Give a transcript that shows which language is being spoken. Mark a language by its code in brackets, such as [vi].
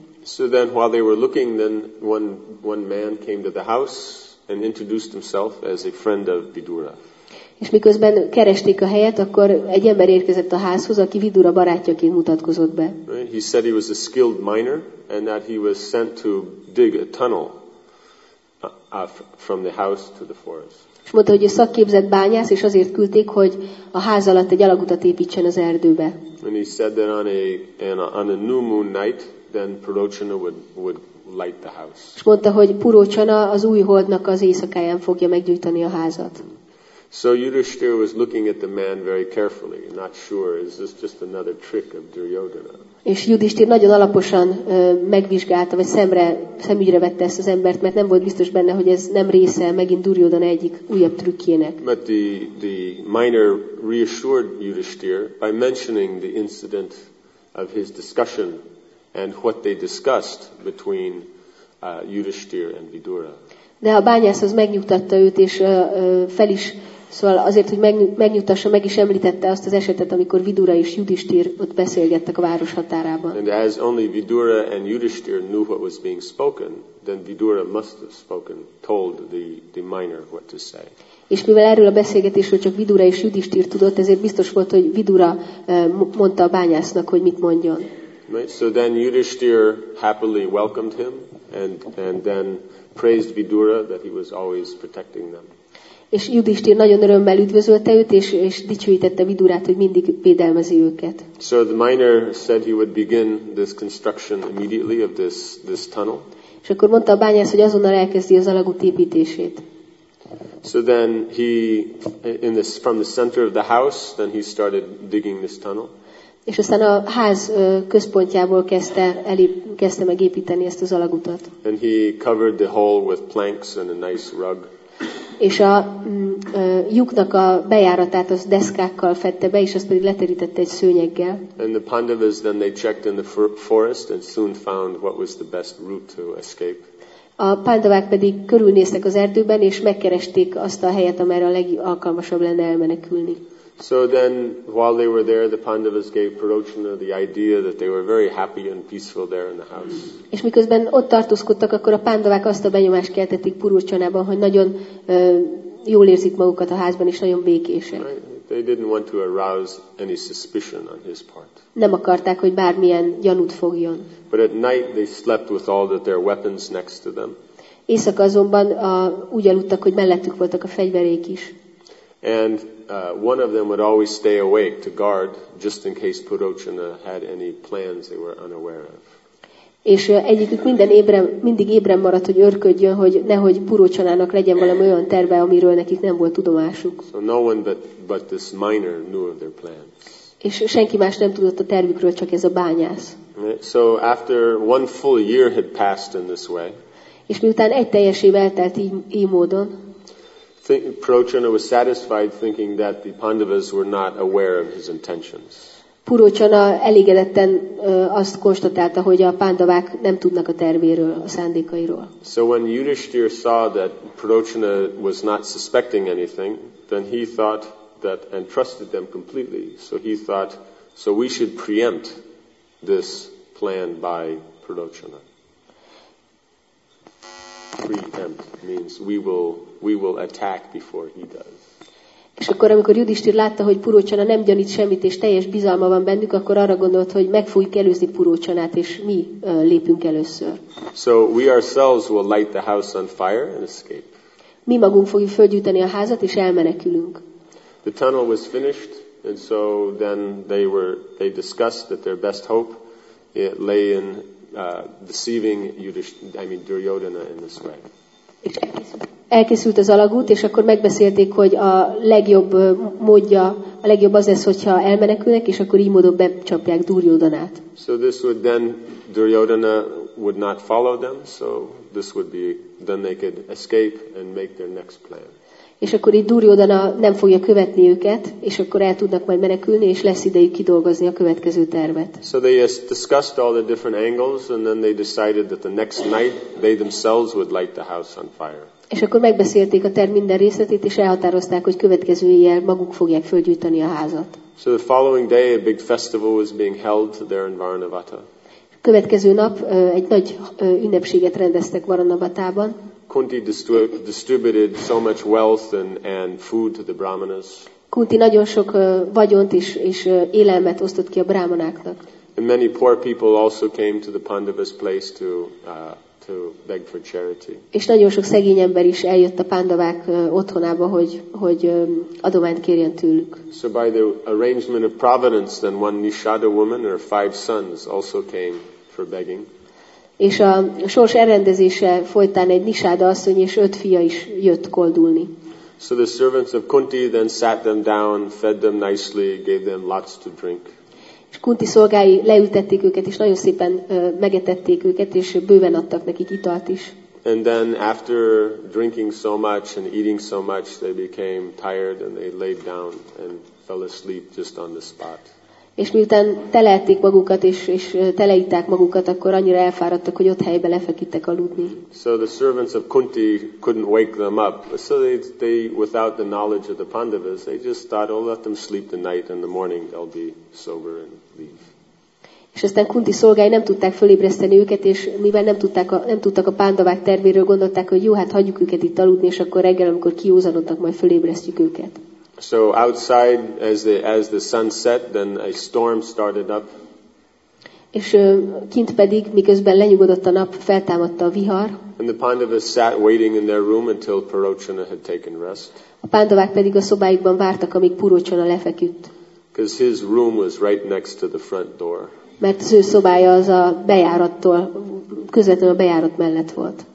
[en] So then while they were looking, then one man came to the house and introduced himself as a friend of Vidura. [hu] És miközben keresték a helyet, akkor egy ember érkezett a házhoz, aki Vidura barátjaként mutatkozott be. [en] He said he was a skilled miner and that he was sent to dig a tunnel from the house to the forest. [hu] És mondta, hogy ő szakképzett bányász, és azért küldték, hogy a ház alatt egy alagutat építsen az erdőbe. [en] And he said that on a new moon night, then Purochana would light the house. [hu] És mondta, hogy Purochana az új holdnak az éjszakáján fogja meggyújtani a házat. [en] So Yudhishthira was looking at the man very carefully, not sure, is this just another trick of Duryodhana? [hu] És Yudhishthira nagyon alaposan megvizsgálta, vagy szemügyre vette ezt az embert, mert nem volt biztos benne, hogy ez nem része megint Duryodhana egyik újabb trükkjének. [en] But the miner reassured Yudhishthira by mentioning the incident of his discussion and what they discussed between Yudhishthira and Vidura. [hu] De a bányász az megnyugtatta őt, és fel is, szóval azért, hogy megnyugtassa, meg is említette azt az esetet, amikor Vidura és Yudhishthira ott beszélgettek a város határában. [en] And as only Vidura and Yudhishthira knew what was being spoken, then Vidura must have spoken, told the miner what to say. [hu] És mivel erről a beszélgetésről csak Vidura és Yudhishthira tudott, ezért biztos volt, hogy Vidura mondta a bányásznak, hogy mit mondjon. [en] Right? So then Yudhishthira happily welcomed him, and then praised Vidura that he was always protecting them. [hu] És Yudhishthira nagyon örömmel üdvözölte őt, és dicsőítette Vidurát, hogy mindig védelmezi őket. [en] So the miner said he would begin this construction immediately of this tunnel. [hu] És akkor mondta a bányász, hogy azonnal elkezdi az alagút építését. [en] So then he in this from the center of the house, then he started digging this tunnel. [hu] És aztán a ház központjából kezdte meg építeni ezt az alagutat. [en] And he covered the hole with planks and a nice rug. [hu] És a lyuknak a bejáratát az deszkákkal fette be, és azt pedig leterítette egy szőnyeggel. [en] And the Pandavas then they checked in the forest and soon found what was the best route to escape. [hu] A pandavák pedig körülnéztek az erdőben, és megkeresték azt a helyet, amerre a legalkalmasabb lenne elmenekülni. [en] So then, while they were there, the Pandavas gave Purochana the idea that they were very happy and peaceful there in the house. [hu] És miközben ott tartózkodtak, akkor a pandavák azt a benyomást keltették Purochanában, hogy nagyon jól érzik magukat a házban, és nagyon békések. [en] Right. They didn't want to arouse any suspicion on his part. [hu] Nem akarták, hogy bármilyen gyanút fogjon. [en] But at night they slept with all that their weapons next to them. [hu] Éjszaka azonban úgy aludtak, hogy mellettük voltak a fegyverék is. [en] And one of them would always stay awake to guard just in case Purochana had any plans they were unaware of. [hu] És egyikük mindig ébren maradt, hogy örködjön, hogy nehogy Purochanának legyen valami olyan terve, amiről nekik nem volt tudomásuk. [en] So no one but this miner knew of their plans. [hu] És senki más nem tudott a tervükről, csak ez a bányász. [en] So after one full year had passed in this way. [hu] És miután egy teljes év eltelt így módon, [en] Purochana was satisfied thinking that the Pandavas were not aware of his intentions. [hu] Purochana elégedetten azt konstatálta, hogy a pandavák nem tudnak a tervéről, a szándékairól. [en] So when Yudhishthira saw that Purochana was not suspecting anything, then he thought that and trusted them completely. So he thought, so we should preempt this plan by Purochana. Preempt means we will attack before he does. [hu] És akkor, amikor Yudhishthira látta, hogy Purochana nem gyanít semmit, és teljes bizalma van bennük, akkor arra gondolt, hogy meg fogjuk előzni Purochanát, és mi lépünk először. [en] So we ourselves will light the house on fire and escape. [hu] Mi magunk fogjuk fölgyűjteni a házat, és elmenekülünk. [en] The tunnel was finished, and so then they discussed that their best hope it lay in deceiving Duryodhana in this way. [hu] Elkészült az alagút, és akkor megbeszélték, hogy a legjobb módja, a legjobb az lesz, hogyha elmenekülnek, és akkor így módon becsapják Duryodhanát. [en] So this would then Duryodhana would not follow them, so this would be then they could escape and make their next plan. [hu] És akkor így Duryodhana nem fogja követni őket, és akkor el tudnak majd menekülni, és lesz idejük kidolgozni a következő tervet. [en] So they discussed all the different angles, and then they decided that the next night they themselves would light the house on fire. [hu] És akkor megbeszélték a terv minden részletét, és elhatározták, hogy következő éjjel maguk fogják fölgyújtani a házat. [en] So the following day a big festival was being held there in Varnavata. [hu] Következő nap egy nagy ünnepséget rendeztek Varanabatában. [en] Kunti distributed so much wealth and food to the brahmanas. [hu] Kunti nagyon sok vagyont és élelmet osztott ki a brahmanáknak. [en] And many poor people also came to the Pandavas place to beg for charity. [hu] És nagyon sok szegény ember is eljött a Pandavák otthonába, hogy adományt kérjen tőlük. [en] So by the arrangement of providence, then one Nishada woman and her five sons also came for begging. [hu] És a sors elrendezése folytán egy Nishada asszony és öt fia is jött koldulni. [en] So the servants of Kunti then sat them down, fed them nicely, gave them lots to drink. [hu] És Kunti szolgái leültették őket, és nagyon szépen megetették őket, és bőven adtak nekik italt is. [en] And then after drinking so much and eating so much, they became tired and they laid down and fell asleep just on the spot. [hu] És miután teleették magukat és teleitták magukat, akkor annyira elfáradtak, hogy ott helyben lefeküdtek aludni. [en] So the servants of Kunti couldn't wake them up. So they without the knowledge of the Pandavas, they just thought, oh, let them sleep the night, and the morning they'll be sober and leave. [hu] És aztán Kunti szolgái nem tudták fölébreszteni őket, és mivel nem tudtak a Pandavák tervéről, gondolták, hogy jó, hát hagyjuk őket itt aludni, és akkor reggel, amikor kiózanodtak, majd fölébresztjük őket. [en] So outside, as the sun set, then a storm started up. [hu] És kint pedig, miközben lenyugodott a nap, feltámadta a vihar. [en] And the Pandavas sat waiting in their room until Purochana had taken rest. [hu] A Pandavák pedig a szobáikban vártak, amíg Purochana lefeküdt. [en] Because his room was right next to the front door. [hu] Mert az ő szobája az a bejárattól, közvetlenül a bejárat mellett volt.